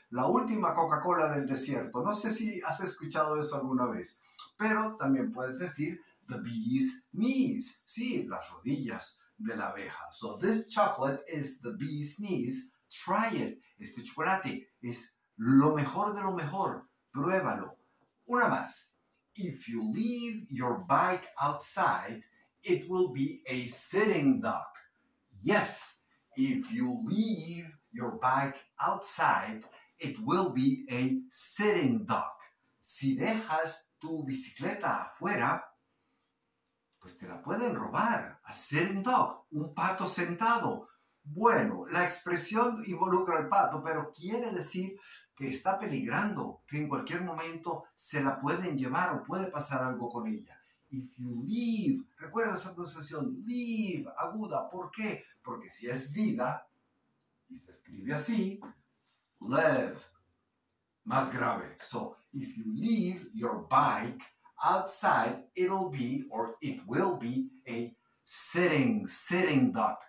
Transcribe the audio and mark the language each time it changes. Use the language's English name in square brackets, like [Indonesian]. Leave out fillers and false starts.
[Spanish] La última Coca-Cola del desierto. No sé si has escuchado eso alguna vez. Pero también puedes decir [English] the bee's knees. [Spanish] Sí, las rodillas de la abeja. [English] So this chocolate is the bee's knees. Try it. [Spanish] Este chocolate es lo mejor de lo mejor. Pruébalo. Una más. [English] If you leave your bike outside, it will be a sitting duck. Yes. If you leave your bike outside, it will be a sitting duck. [Spanish] Si dejas tu bicicleta afuera, pues te la pueden robar. [English] A sitting duck, [Spanish] un pato sentado. Bueno, la expresión involucra al pato, pero quiere decir que está peligrando, que en cualquier momento se la pueden llevar o puede pasar algo con ella. [English] If you leave, [Spanish] recuerda esa pronunciación, leave, aguda, ¿por qué? Porque si es vida, y se escribe así, live, más grave. [English] So, if you leave your bike outside, it'll be, or it will be, a sitting duck.